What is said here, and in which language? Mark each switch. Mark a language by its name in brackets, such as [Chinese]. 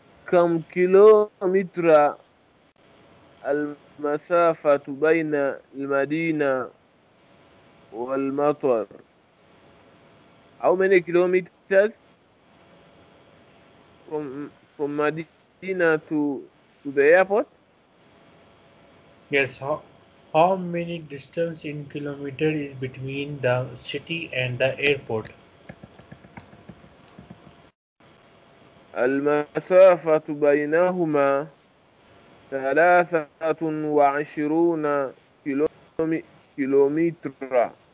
[Arabic] كم كيلومتر المسافة بين المدينة والمطار؟ [English] How many kilometers from Medina to the airport? Yes. How many distance in kilometer is between the city and the airport? [Arabic] المسافة بينهما 23 كيلومترا.